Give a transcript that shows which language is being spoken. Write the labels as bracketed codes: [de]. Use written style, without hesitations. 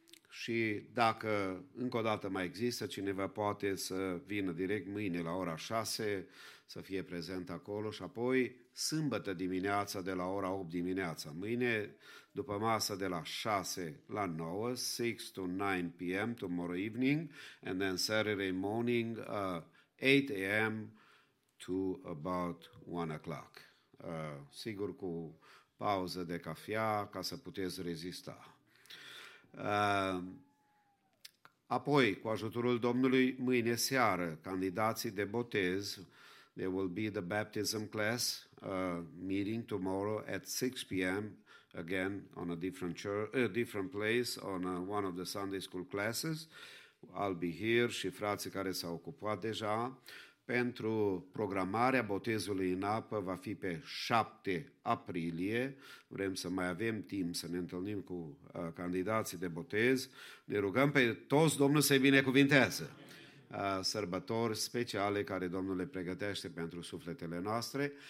[ro] Și dacă încă o dată mai există cineva, poate să vină direct mâine la ora 6 să fie prezent acolo și apoi sâmbătă dimineața de la ora 8 dimineața. Mâine, după masă de la 6 la 9, [en] 6 to 9 p.m. tomorrow evening, and then Saturday morning, 8 a.m. to about 1 o'clock. [ro] Sigur, cu pauză de cafea ca să puteți rezista. Apoi, cu ajutorul Domnului, mâine seară, candidații de botez, [en] there will be the baptism class meeting tomorrow at 6 p.m. again on a different place on one of the Sunday school classes. I'll be here [ro] și frații care s-au ocupat deja. Pentru programarea botezului în apă va fi pe 7 aprilie. Vrem să mai avem timp să ne întâlnim cu candidații de botez. Ne rugăm pe toți Domnul să-i binecuvinteze. Sărbători speciale care Domnul le pregătește pentru sufletele noastre.